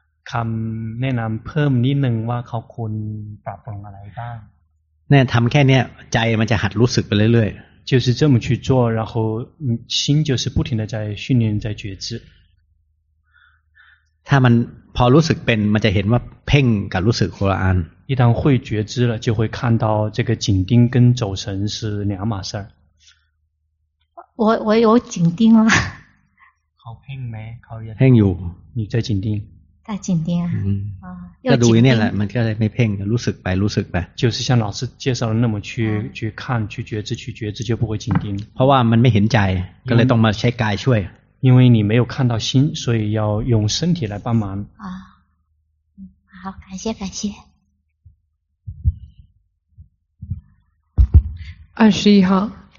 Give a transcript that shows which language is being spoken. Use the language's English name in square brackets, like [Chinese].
[Thai] คำแนะนำเพิ่มนิดนึงว่าเขาควรปรับปรุงอะไรบ้าง เนี่ยทำแค่นี้ใจมันจะหัดรู้สึกไปเรื่อย [Chinese] 就是这么去做然后心就是不停的在训练在觉知 [Thai] ถ้ามันพอรู้สึกเป็นมันจะเห็นว่าเพ่งกับรู้สึกคนละอัน [Chinese] 一旦会觉知了就会看到这个紧盯跟走神是两码事我有紧盯吗 [Thai] เขาเพ่งไหมเขา เพ่งอยู่ [Chinese] 你在紧盯在紧盯 [Thai] 啊ก็ดูนี่แหละมันก็ไม่เพ่งรู้สึกไปรู้สึกไป [Chinese] 就是像老师介绍的那么去看去觉知去觉知就不会紧盯 [Thai] เพราะว่ามันไม่เห็นใจก็เลยต้องมาใช้กายช่วย [Chinese] 因为你没有看到心所以要用身体来帮忙啊好感谢 21号